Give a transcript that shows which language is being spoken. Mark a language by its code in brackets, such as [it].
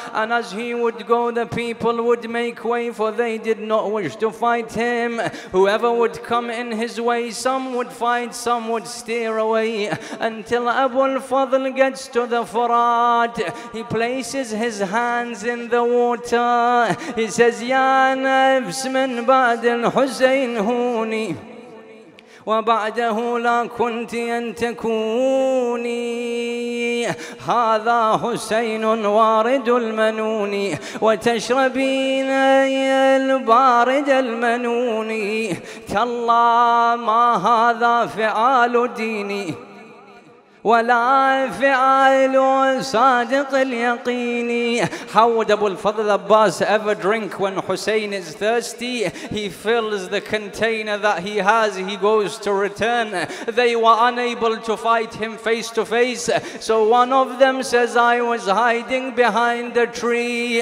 [en] And as he would go, the people would make way, for they did not wish to fight him. Whoever would come in his way, some would fight, some would steer away, until Abu al-Fadl gets to the Furat. He places his hands in the water. He says, [ar] Ya nafs min ba'd al-Husayn huni وَبَعْدَهُ لَا كُنْتِ أَن تَكُونِي هَذَا حُسَيْنٌ وَارِدُ الْمَنُونِ وَتَشْرَبِينَ الْبَارِدَ الْمَنُونِ تَاللَّهِ مَا هَذَا فِعَالُ دِينِي ولا فعل صادق اليقين. [en] How would Abu al-Fadl Abbas ever drink when Hussein is thirsty? He fills the container that he has. He goes to return. They were unable to fight him face to face. So one of them says, I was hiding behind a tree.